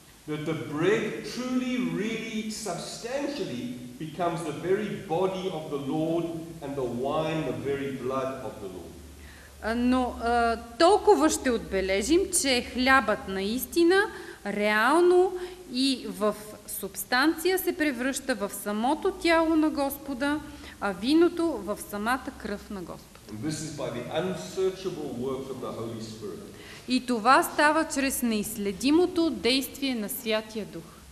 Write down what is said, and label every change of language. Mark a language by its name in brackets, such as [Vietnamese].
[English] that the bread truly, really, substantially becomes the very body of the Lord and the wine the very blood of the Lord. [Bulgarian] Но толкова ще отбележим, че хлябът наистина реално и в субстанция се превръща в самото тяло на Господа, а виното в самата кръв на Господа. [English] And this is by the unsearchable work of the Holy Spirit. [Bulgarian] И това става чрез неизследимото действие на Святия Дух.